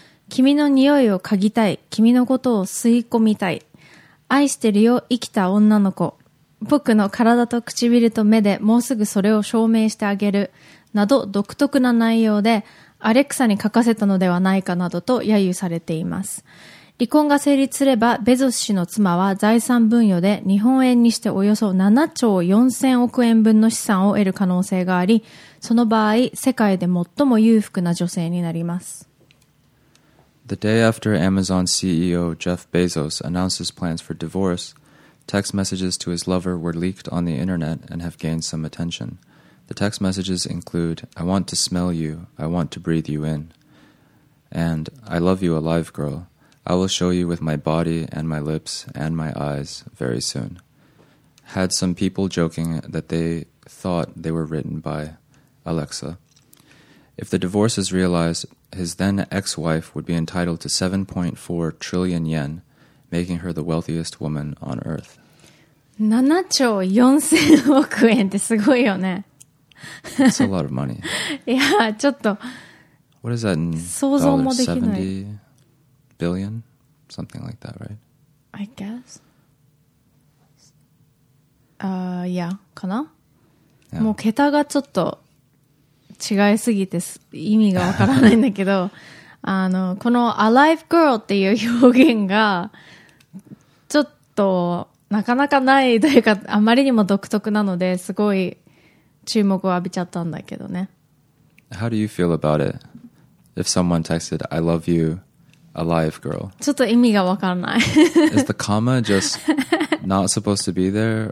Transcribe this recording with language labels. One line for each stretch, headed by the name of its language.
Japanese: 君の匂いを嗅ぎたい、君のことを吸い込みたい、愛してるよ、生きた女の子、僕の体と唇と目でもうすぐそれを証明してあげる、など独特な内容で、アレクサに書かせたのではないかなどと揶揄されています。離婚が成立すれば、ベゾス氏の妻は財産分与で日本円にしておよそ7兆4000億円分の資産を得る可能性があり、その場合、世界で最も裕福な女性になります。
English: The day after Amazon CEO Jeff Bezos announced his plans for divorce, text messages to his lover were leaked on the internet and have gained some attention. The text messages include, I want to smell you, I want to breathe you in, and I love you alive, girl. I will show you with my body and my lips and my eyes very soon. Had some people joking that they thought they were written by Alexa. If the divorce is realized, his then ex-wife would be entitled to 7.4 trillion yen, making her the wealthiest woman on earth.
Japanese: 7兆4000億円ってすごいよね。
English: That's a lot of money.
Japanese: いや、ちょっと。
English: What is that in dollars?
Japanese: 想像もできない。
English: 70 billion? Something like that, right? I guess.
Japanese: Yeah, かな。もう桁がちょっと。違いすぎて意味がわからないんだけど、あのこの Alive Girl っていう表現がちょっとなかなかないというか、あまりにも独特なのですごい注目を浴びちゃったんだけどね。
English: How do you feel about it? If someone texted I love you Alive Girl,
Japanese: ちょっと意味がわからない
English: Is the comma just not supposed to be there?